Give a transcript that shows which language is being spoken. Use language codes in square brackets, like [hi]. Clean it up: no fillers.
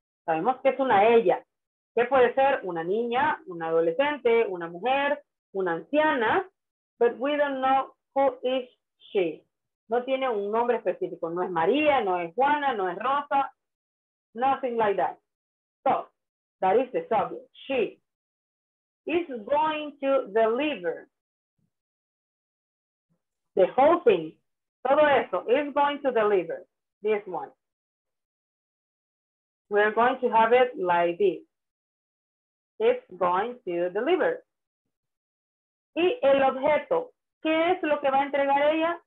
[es] Sabemos que es una ella. ¿Qué puede ser? Una niña, una adolescente, una mujer, una anciana. [en] But we don't know who is she. [es] No tiene un nombre específico. No es María, no es Juana, no es Rosa. [en] Nothing like that. So, that is the subject. She is going to deliver the whole thing. [es] Todo eso. [en] Is going to deliver this one. We are going to have it like this. It's going to deliver. [es] Y el objeto, ¿qué es lo que va a entregar ella?